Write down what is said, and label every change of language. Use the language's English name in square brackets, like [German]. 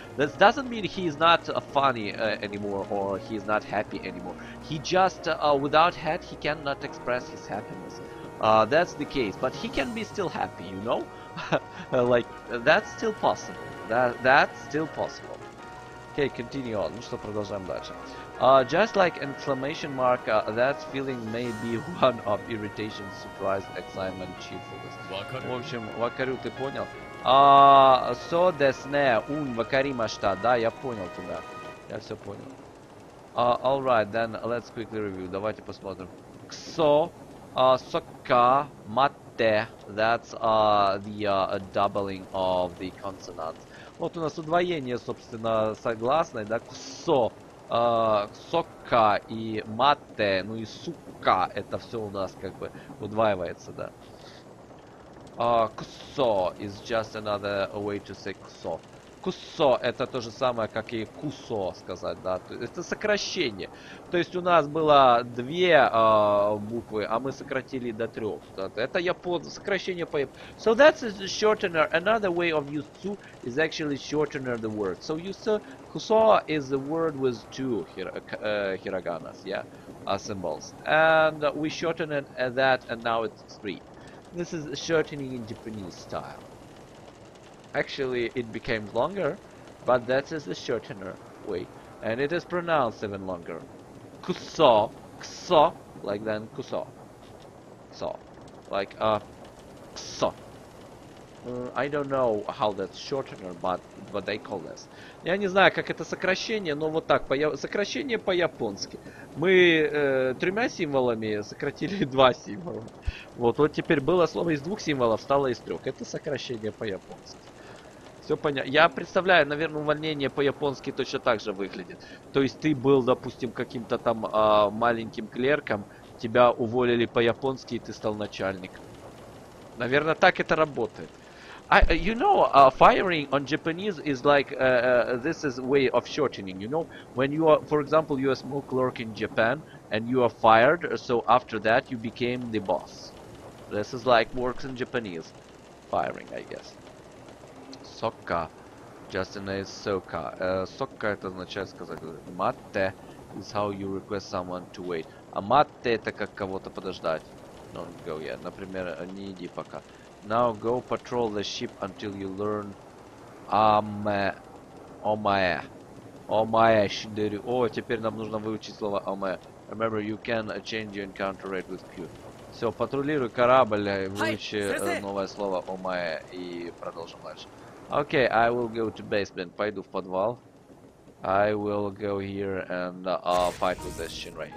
[English] This doesn't mean he's not funny anymore or he's not happy anymore. He just without head, he cannot express his happiness. That's the case. But he can be still happy, you know, like that's still possible. That's still possible. Okay, continue on. [Russian] Ну что, продолжаем дальше. [English] Just like inflammation mark, that feeling may be one of irritation, surprise, excitement, cheerfulness. [Russian] В общем, вакарю, ты понял? [Japanese] So desu ne, un вакаримашта. [Russian] Да, я понял тебя. Я все понял. [English] Alright, then let's quickly review. [Russian] Давайте посмотрим. [English] Ксо, сока, матте. That's the doubling of the consonants. [Russian] Вот у нас удвоение, собственно, согласной, да, ксо, сока и мате, ну и сука, это все у нас как бы удваивается, да. Ксо is just another way to say ксо. Ксо это то же самое, как и кусо сказать, да, это сокращение. То есть у нас было две буквы, а мы сократили до трех. Да? Это сокращение по. [English] So that's a shortener. Another way of use two is actually shortener the word. So you saw kuso is the word with two hiraganas, yeah, symbols, and we shortened that, and now it's three. This is shortening in Japanese style. Actually, it became longer, but that is the shortener way, and it is pronounced even longer. Kuso, kuso, like then kuso, so, like kuso. I don't know how that's shortener, but what they call this. [Russian] Я не знаю, как это сокращение, но вот так, сокращение по-японски. Мы тремя символами сократили два символа. Вот теперь было слово из двух символов, стало из трех. Это сокращение по-японски. Все понятно. Я представляю, наверное, увольнение по-японски точно так же выглядит. То есть ты был, допустим, каким-то там маленьким клерком, тебя уволили по-японски, и ты стал начальником. Наверное, так это работает. [English] You know, firing on Japanese is like, this is way of shortening, you know? When you are, for example, you are a small clerk in Japan, and you are fired, so after that you became the boss. This is like works in Japanese. Firing, I guess. Сока, Justin is сока. [Russian] Сока это означает сказать. [English] Мате is how you request someone to wait. [Russian] А мате это как кого-то подождать. [English] Don't go yet. [Russian] Например, не иди пока. [English] Now go patrol the ship until you learn Омая. [Japanese] Омая, шиндери. [Russian] О, теперь нам нужно выучить слово Омая. [English] Remember, you can change your encounter rate with Q. [Russian] Все, патрулируй корабль, выучи новое слово Омая и продолжим дальше. [English] Окей, I will go to basement. [Russian] Пойду в подвал. [English] I will go here and fight with the Shinrai.